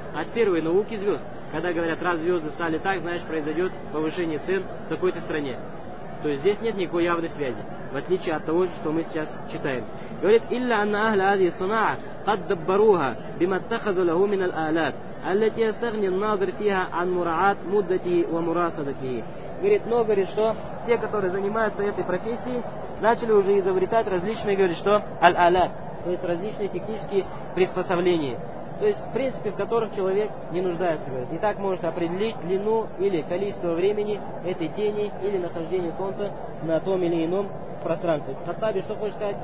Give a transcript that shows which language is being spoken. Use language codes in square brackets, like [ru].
[ru] От первой науки звезд. Когда говорят, раз звезды стали так, значит произойдет повышение цен в такой-то стране. То есть здесь нет никакой явной связи, в отличие от того, что мы сейчас читаем. Говорит, [ar] «Илля анна ахля ази сунаа кад даббаруха биматтахазу лаху мин ал-аалат». التي يستغني الناظر فيها عن مراعاة مدته ومراصدته. [ru] Говорит, но говорит, что те, которые занимаются этой профессией, начали уже изобретать различные, говорит, что аль-аля, то есть различные технические приспособления, то есть в принципе, в которых человек не нуждается, говорит. И так может определить длину или количество времени этой тени или нахождение солнца на том или ином пространстве. Хаттаби, что хочет сказать?